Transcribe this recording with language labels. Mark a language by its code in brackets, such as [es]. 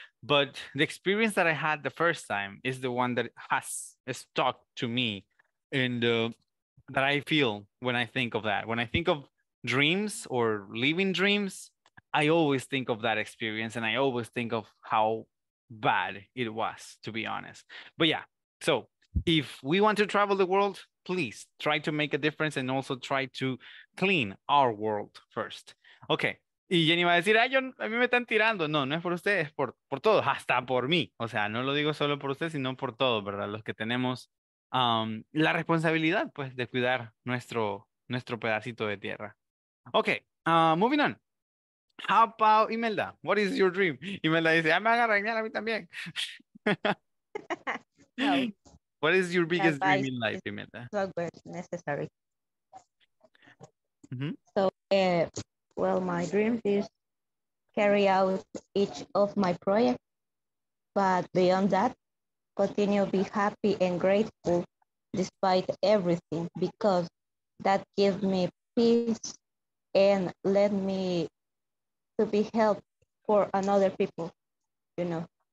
[en] But the experience that I had the first time is the one that has stuck to me and that I feel when I think of that. When I think of dreams or living dreams, I always think of that experience and I always think of how bad it was, to be honest. But yeah, so if we want to travel the world, please try to make a difference and also try to clean our world first. Okay. [es] Y Jenny va a decir, ay, a mí me están tirando. No, no es por ustedes, por todos, hasta por mí. O sea, no lo digo solo por ustedes, sino por todos, ¿verdad? Los que tenemos la responsabilidad, pues, de cuidar nuestro pedacito de tierra. [en] Okay, moving on. How about Imelda? What is your dream? [es] Imelda dice, ay, me van a regañar a mí también. No. [en] What is your biggest dream in life, Imelda? Necessary. Well, my dream is carry out each of my projects, but beyond that, continue to be happy and grateful despite everything, because that gives me peace and let me to be helped for another people, you know.